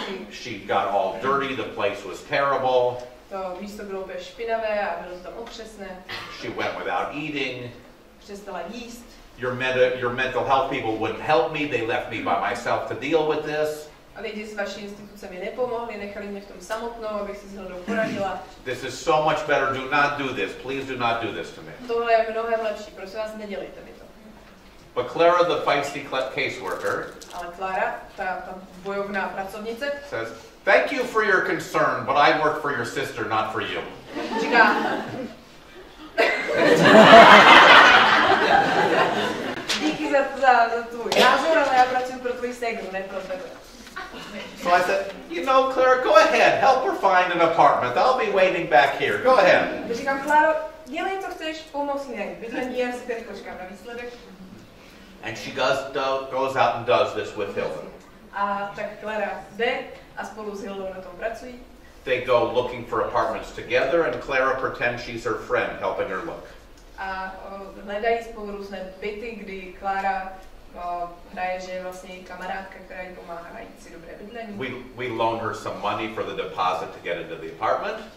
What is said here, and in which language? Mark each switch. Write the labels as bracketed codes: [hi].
[en] She got all dirty, the place was terrible. [cs] To místo bylo úplně špinavé a bylo tam otřesné. [en] She went without eating. [cs] Přestala jíst. [en] Your mental health people wouldn't help me, they left me by myself to deal with this. [cs] A lidi z vaší instituce mi nepomohli, nechali mě v tom samotnou, abych si s Hildou poradila. [en] This is so much better, do not do this, please do not do this to me. [cs] Tohle je mnohem lepší, prosím vás, nedělejte mi to. [en] But Clara, the feisty caseworker, [cs] ale Clara, ta bojovná pracovnice, [en] says, "Thank you for your concern, but I work for your sister, not for you." [cs] Říká. Díky za tu názor, ale já pracuji pro tvoji sestru, ne pro tebe. [en] So I said, "You know, Clara, go ahead, help her find an apartment. I'll be waiting back here. Go ahead." [cs] Říkám, Clara, dělej, co chceš, pomoci mi. Bydlení já si teď počkám na výsledek. [en] And she goes out and does this with Hilda. [cs] A tak Clara jde a spolu s Hildou na tom pracují. [en] They go looking for apartments together and Clara pretends she's her friend helping her look. [cs] A hledají spolu různé byty, kdy Clara hraje, že je vlastně její kamarádka, která jí pomáhá najít si dobré bydlení. [en] We loan her some money for the deposit to get into the apartment.